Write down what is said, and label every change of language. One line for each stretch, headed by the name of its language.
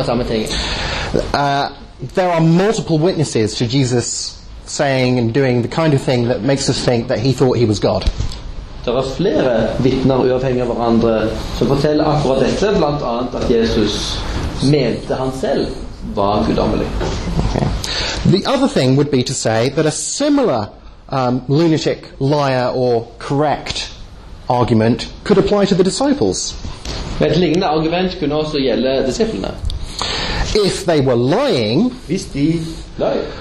English: There are multiple witnesses to Jesus saying and doing the kind of thing that makes us think that he thought he was God.
Norwegian: Der flere vitner uavhengig av hverandre som forteller akkurat dette, blant annet at Jesus mente han selv var guddommelig.
English: The other thing would be to say that a similar lunatic, liar, or correct argument could apply to the disciples.
Norwegian: Et lignende argument kunne også gjelde disiplene.
English: If they were lying,
Norwegian: hvis de løy,